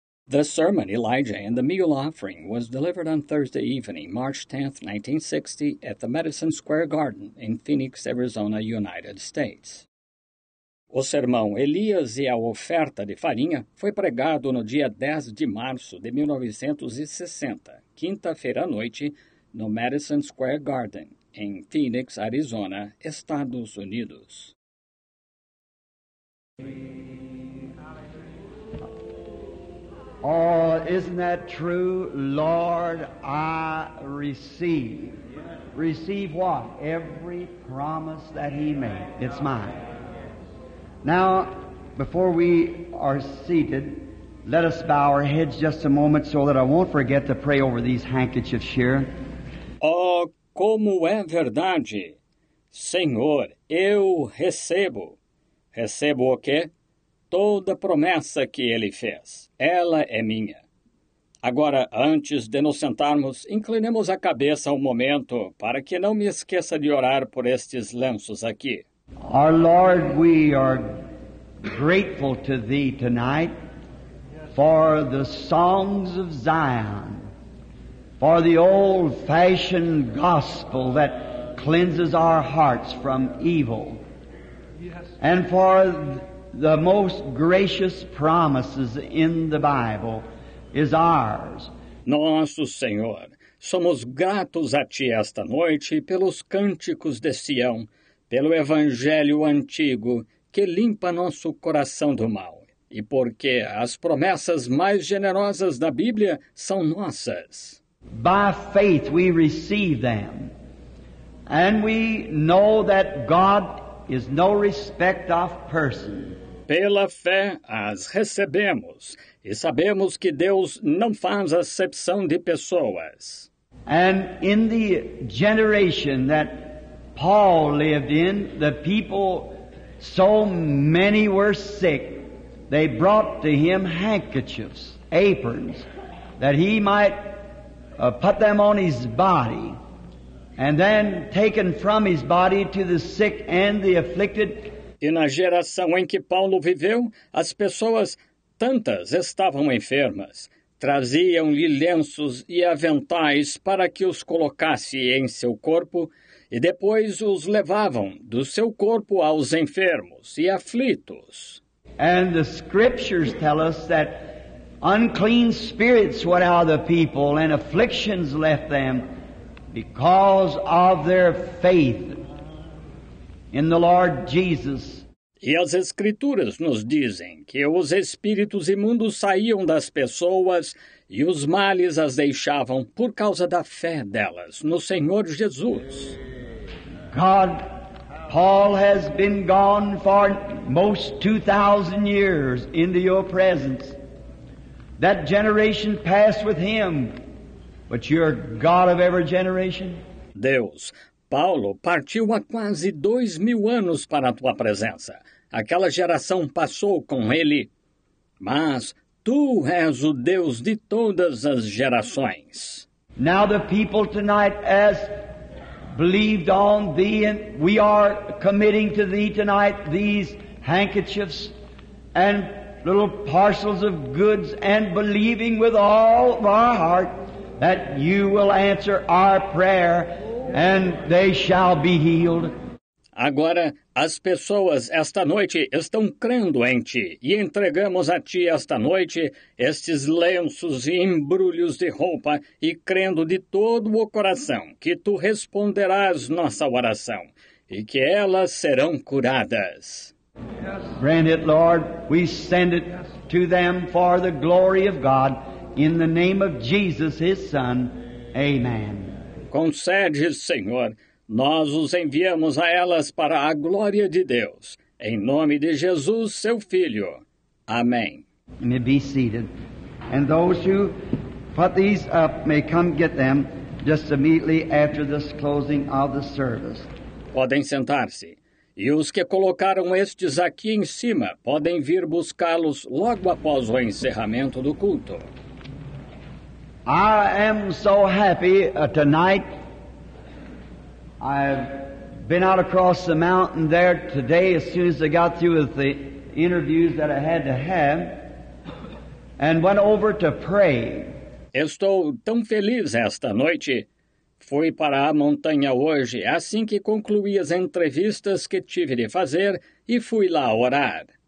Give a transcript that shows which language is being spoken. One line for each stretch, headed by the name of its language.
English: The sermon, Elijah and the Meal Offering, was delivered on Thursday evening, March 10, 1960, at the Madison Square Garden in Phoenix, Arizona, United States.
Portuguese: O sermão Elias e a Oferta de Farinha foi pregado no dia 10 de março de 1960, quinta-feira à noite, no Madison Square Garden, em Phoenix, Arizona, Estados Unidos.
English: Oh, isn't that true? Lord, I receive. Receive what? Every promise that He made. It's mine. Now, before we are seated, let us bow our heads just a moment so that I won't forget to pray over these handkerchiefs here.
Portuguese: Oh, como é verdade! Senhor, eu recebo. Recebo o quê? Toda promessa que Ele fez, ela é minha. Agora, antes de nos sentarmos, inclinemos a cabeça um momento para que não me esqueça de orar por estes lenços aqui.
English: Our Lord, we are grateful to Thee tonight for the songs of Zion, for the old-fashioned gospel that cleanses our hearts from evil, and for the most gracious promises in the Bible is ours.
Portuguese: Nosso Senhor, somos gratos a Ti esta noite pelos cânticos de Sião, pelo Evangelho antigo que limpa nosso coração do mal, e porque as promessas mais generosas da Bíblia são nossas.
English: By faith we receive them, and we know that God is no respect of person.
Portuguese: Pela fé as recebemos, e sabemos que Deus não faz acepção de pessoas.
English: And in the generation that Paul lived in, the people, so many were sick, they brought to him handkerchiefs, aprons, that he might put them on his body, and then taken from his body to the sick and the afflicted.
Portuguese: E na geração em que Paulo viveu, as pessoas, tantas, estavam enfermas. Traziam-lhe lenços e aventais para que os colocasse em seu corpo, e depois os levavam do seu corpo aos enfermos e aflitos.
English: And the scriptures tell us that unclean spirits went out of the people and afflictions left them because of their faith in the Lord Jesus.
Portuguese: E as escrituras nos dizem que os espíritos imundos saíam das pessoas e os males as deixavam por causa da fé delas no Senhor Jesus.
English: God, Paul has been gone for most 2,000 years into your presence. That generation passed with him, but you're God of every generation.
Portuguese: Deus, Paulo partiu há quase 2,000 anos para a tua presença. Aquela geração passou com ele, mas tu és o Deus de todas as gerações.
English: Now the people tonight ask, believed on Thee, and we are committing to Thee tonight these handkerchiefs and little parcels of goods, and believing with all of our heart that You will answer our prayer and they shall be healed.
Portuguese: Agora, as pessoas esta noite estão crendo em Ti, e entregamos a Ti esta noite estes lenços e embrulhos de roupa, e crendo de todo o coração que Tu responderás nossa oração, e que elas serão curadas.
English: Grant it, Lord. We send it to them for the glory of God, in the name of Jesus, His Son. Amen.
Portuguese: Concede, Senhor. Nós os enviamos a elas para a glória de Deus, em nome de Jesus, seu Filho. Amém.
English: May be seated. And those who put these up may come get them just immediately after this closing of the service.
Portuguese: Podem sentar-se. E os que colocaram estes aqui em cima podem vir buscá-los logo após o encerramento do culto.
English: I am so happy tonight. I've been out across the mountain there today as soon as I got through with the interviews that I had to have. and went over to pray.
Portuguese: Estou tão feliz esta noite. Fui para a montanha hoje, assim que concluí as entrevistas que tive de fazer, e fui lá orar.